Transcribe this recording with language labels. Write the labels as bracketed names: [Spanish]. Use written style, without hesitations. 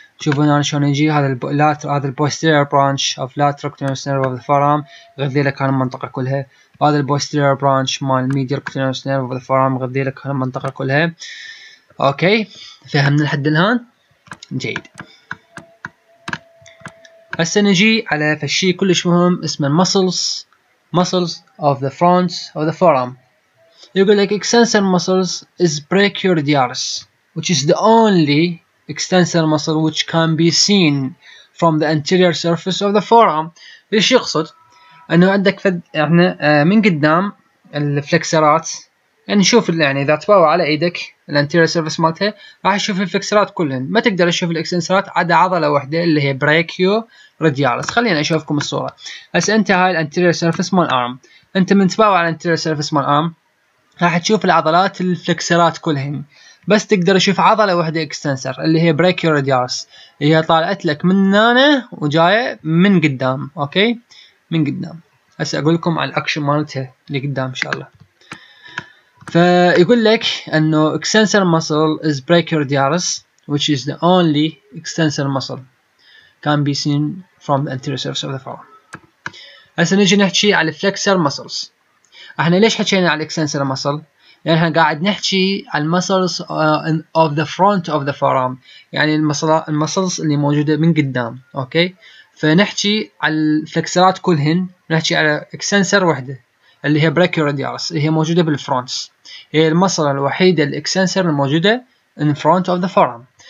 [Arabic] شوفوا هنا شلون يجي هذا اللاترال، هذا البوستيرير برانش اوف لاترال كوتينوس نيرف اوف ذا فورام يغذي لك هاي المنطقه كلها، هذا البوستيرير برانش مال ميديال كوتينوس نيرف اوف ذا فورام يغذي لك هاي المنطقه كلها. اوكي فهمنا لحد الان؟ جيد. هسه نجي على فشي كلش مهم اسمه [English] muscles of the front of the forearm. [Arabic] يقول لك [English] extensor muscles is brachioradialis which is the only extensor muscle which can be seen from the anterior surface of the forearm. [Arabic] ليش يقصد؟ انه عندك يعني من قدام الفلكسرات، يعني شوف يعني اذا تباوع على ايدك الانتيرير سيرفيس مالتها راح تشوف الفلكسرات كلهن، ما تقدر تشوف الاكستنسرات عدا عضله واحده اللي هي بريكيو رادياليس. خليني اشوفكم الصوره. هسه انت هاي الانتيرير سيرفيس مال ارم، انت من تباوع على الانتيرير سيرفيس مال ارم راح تشوف العضلات الفلكسرات كلهن، بس تقدر تشوف عضله واحده اكستنسر اللي هي بريكيو رادياليس، هي طالعت لك من هنا وجايه من قدام، اوكي؟ من قدام. هسه اقول لكم على الاكشن مالتها اللي قدام ان شاء الله. فيقول لك انه [English] extensor muscle is brachioradialis which is the only extensor muscle can be seen from the anterior surface of the forearm. [Arabic] هسه نجي نحكي على [English] flexor muscles. [Arabic] احنا ليش حكينا على extensor muscle؟ يعني احنا قاعد نحكي على [English] muscles of the front of the forearm، [Arabic] يعني المسلز اللي موجودة من قدام، اوكي؟ فنحكي على الفلكسرات كلهن، نحكي على extensor واحدة اللي هي brachioradialis اللي هي موجودة بالفرونتس، هي المسل الوحيدة الاكسنسر الموجودة [English] in front of the forearm.